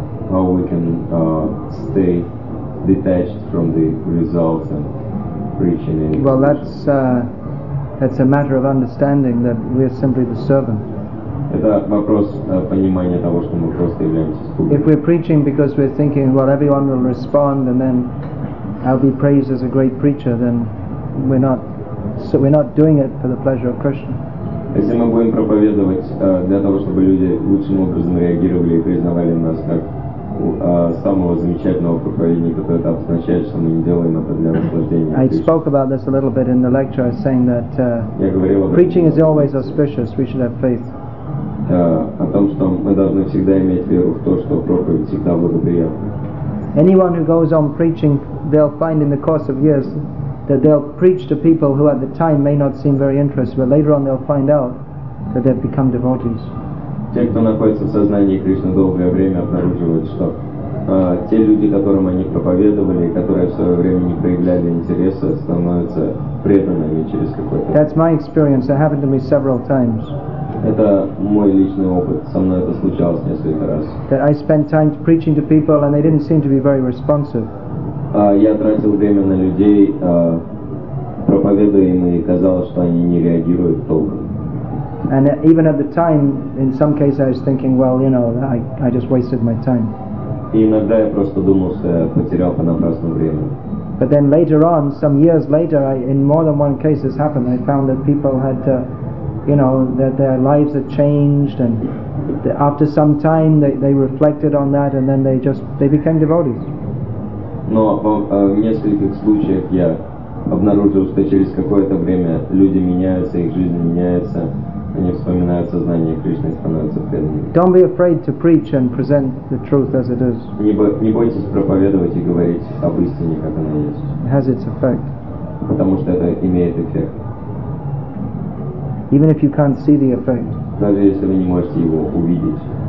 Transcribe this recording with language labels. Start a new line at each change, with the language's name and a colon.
English: How we can stay detached from the results and preaching in Well, that's a matter of understanding that we are simply the servant.
Russian: Это вопрос понимания того, что мы просто являемся слугами.
English: If we're preaching because we're thinking, well, everyone will respond, and then I'll be praised as a great preacher, then we're not doing it for the pleasure of Krishna.
Russian: Если мы будем проповедовать для того, чтобы люди лучшим образом реагировали и признавали нас как самого замечательного проповедника, то это означает, что мы не делаем это для наслаждения.
English: I spoke about this a little bit in the lecture, saying that preaching is always auspicious. We should have faith.
Russian: О том, что мы должны всегда иметь веру в то, что проповедь всегда благоприятна.
English: Anyone who goes on preaching, they'll find in the course of years that they'll preach to people who at the time may not seem very interested, but later on they'll find out that they've become devotees.
Russian: Те, кто находится в сознании Кришны долгое время, обнаруживают, что те люди, которым они проповедовали, которые в свое время не проявляли интереса, становятся преданными через какое-то.
English: That's my experience. It happened to me several times.
Russian: Это мой личный опыт. Со мной это случалось несколько раз.
English: That I spent time preaching to people and they didn't seem to be very responsive.
Russian: Я тратил время на людей, проповедуя им, и казалось, что они не реагируют толком.
English: And even at the time, in some cases, I was thinking, well, you know, I just wasted my time.
Russian: И иногда я просто думал, что я потерял понапрасну время.
English: But then later on, some years later, in more than one case this happened, I found that people had to, you know, that their lives had changed, and after some time they reflected on that, and then they became devotees.
Russian: Но в нескольких случаях я обнаружил, что через какое-то время люди меняются, их жизнь меняется, они вспоминают сознание Кришны и становятся преданными.
English: Don't be afraid to preach and present the truth as it is.
Russian: Не бойтесь проповедовать и говорить об истине, как она есть.
English: It has its effect.
Russian: Потому что это имеет эффект.
English: Even if you can't see the effect.
Russian: Даже если вы не можете его увидеть.